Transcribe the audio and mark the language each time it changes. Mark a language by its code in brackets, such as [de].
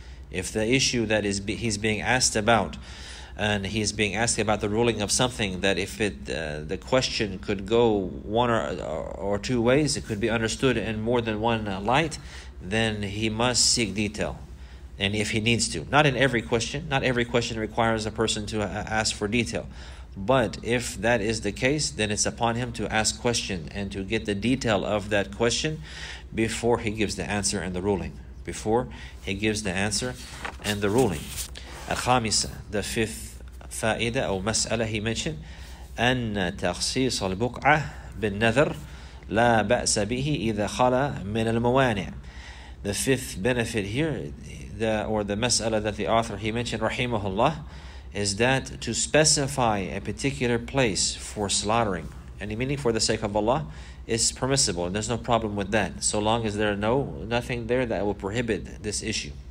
[en] If the issue that is he's being asked about, and he's being asked about the ruling of something, that if the question could go one or two ways, it could be understood in more than one light, then he must seek detail. and if he needs to. Not in every question. Not every question requires a person to ask for detail. But if that is the case, then it's upon him to ask question and to get the detail of that question before he gives the answer and the ruling. Before he gives the answer and the ruling. [ar] الخامسة, [en] the fifth [ar] فائدة أو مسألة [en] he mentioned, [ar] أن تخصيص البقعة بالنذر لا بأس به إذا خلا من الموانع. [en] The fifth benefit here, the mas'ala that the author he mentioned, rahimahullah, is that to specify a particular place for slaughtering, any meaning for the sake of Allah, is permissible. And there's no problem with that, so long as there are nothing there that will prohibit this issue.